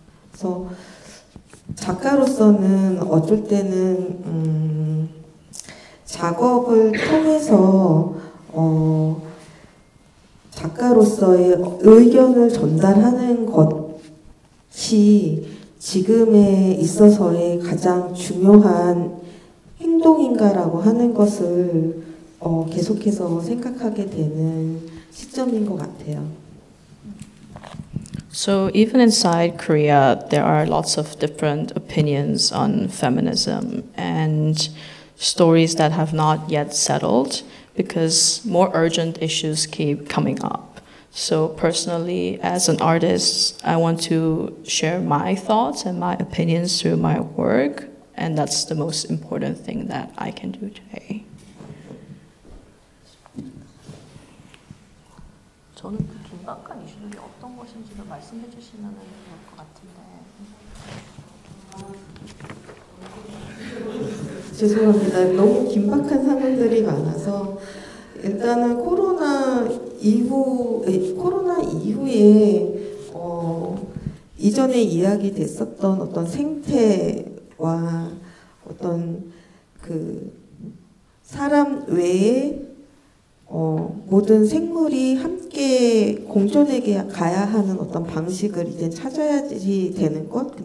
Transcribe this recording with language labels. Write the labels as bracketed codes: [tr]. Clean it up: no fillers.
[ko] 그래서 작가로서는 어쩔 때는 작업을 통해서 작가로서의 의견을 전달하는 것이 지금에 있어서의 가장 중요한 행동인가라고 하는 것을 계속해서 생각하게 되는 시점인 것 같아요. [en] So even inside Korea, there are lots of different opinions on feminism and stories that have not yet settled because more urgent issues keep coming up. So personally, as an artist, I want to share my thoughts and my opinions through my work, and that's the most important thing that I can do today. [ko] 저는 그 긴박한 이슈들이 어떤 것인지도 말씀해 주시면 좋을 것 같은데. 죄송합니다. 너무 긴박한 상황들이 많아서 일단은 코로나 이후에 이전에 이야기됐었던 어떤 생태와 어떤 그 사람 외에 모든 생물이 함께 공존하게 가야 하는 어떤 방식을 이제 찾아야지 되는 것.